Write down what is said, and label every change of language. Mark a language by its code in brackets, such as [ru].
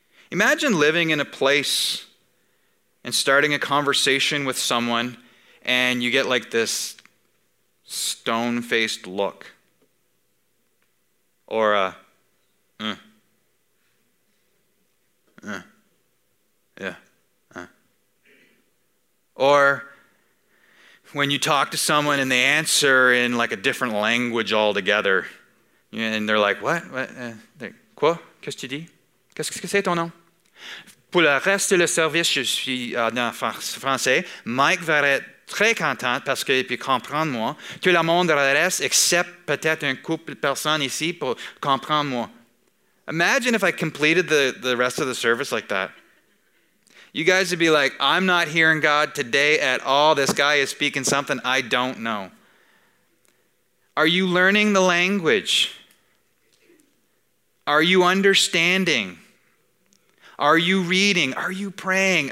[en] Imagine living in a place and starting a conversation with someone and you get like this stone-faced look or a, or when you talk to someone and they answer in like a different language altogether, and they're like, what? [fr] Quoi? Qu'est-ce que tu dis? Qu'est-ce que c'est ton nom? Pour le reste du service, je suis en français. Mike va être très content parce qu'il peut comprendre moi. Tout le monde reste, except peut-être un couple de personnes ici pour comprendre moi. [en] Imagine if I completed the rest of the service like that. You guys would be like, I'm not hearing God today at all. This guy is speaking something I don't know. Are you learning the language? Are you understanding? Are you reading? Are you praying?